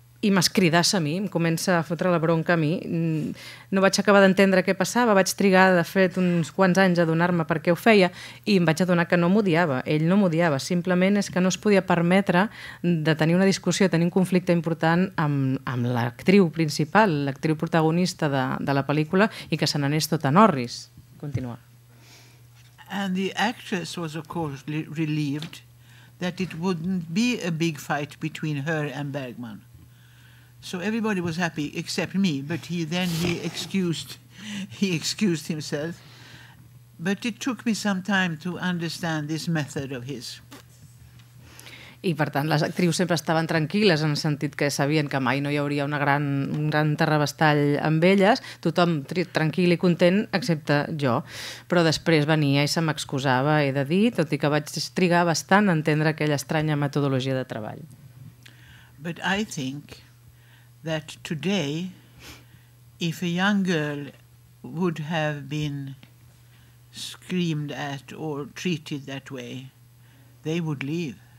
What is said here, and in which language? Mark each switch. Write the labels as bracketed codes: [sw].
[ca] i m'escridassa a mi, em comença a fotre la bronca a mi. No vaig acabar d'entendre què passava, vaig trigar, de fet, uns quants anys a adonar-me per què ho feia i em vaig adonar que no m'odiava, ell no m'odiava, simplement és que no es podia permetre de tenir una discussió, tenir un conflicte important amb l'actriu principal, l'actriu protagonista de la pel·lícula i que se n'anés tot en orris. Continua. [en] And the actress was of course relieved that it wouldn't be a big fight between her and Bergman. So everybody was happy except me, but he excused himself. But it took me some time to understand this method of his. [ca] I per tant les actrius sempre estaven tranquil·les en el sentit que sabien que mai no hi hauria un gran terrabastall amb elles, tothom tranquil i content excepte jo, però després venia i se m'excusava, he de dir, tot i que vaig trigar bastant a entendre aquella estranya metodologia de treball. [en] But I think that today if a young girl would have been screamed at or treated that way, they would leave.